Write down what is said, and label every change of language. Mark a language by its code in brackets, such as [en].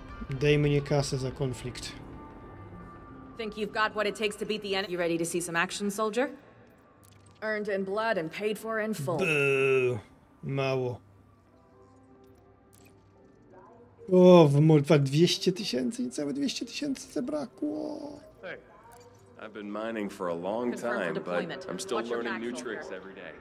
[pl] Daj mnie kasę za konflikt. [en] Think you've got what it takes to beat the enemy? You ready to see some action, soldier? Earned in blood and paid for in full. [pl] Mało. O, w morfa 200 tysięcy, niecałe 200 tysięcy zabrakło. [en] Hey, I've been mining for a long time, but I'm still learning new tricks every day.